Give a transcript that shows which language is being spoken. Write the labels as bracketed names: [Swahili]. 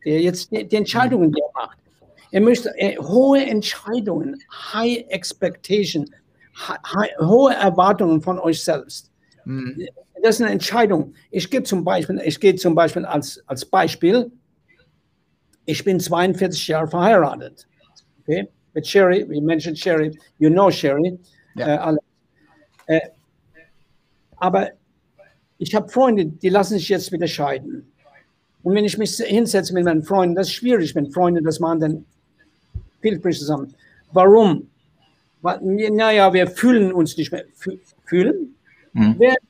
[German] Die Entscheidungen, die ihr macht. Ihr müsst hohe Entscheidungen, [English] high expectation, [German] hohe Erwartungen von euch selbst. das ist eine Entscheidung. Ich gebe zum Beispiel, als Beispiel, ich bin 42 Jahre verheiratet. Okay? Mit [English] Sherry, we mentioned Sherry, you know Sherry. [German] Ja. Aber ich habe Freunde, die lassen sich jetzt wieder scheiden. Und wenn ich mich hinsetze mit meinen Freunden, das ist schwierig, wenn Freunde das machen, dann viel frisch zusammen. Warum? Naja, wir fühlen uns nicht mehr. Fühlen? Hm.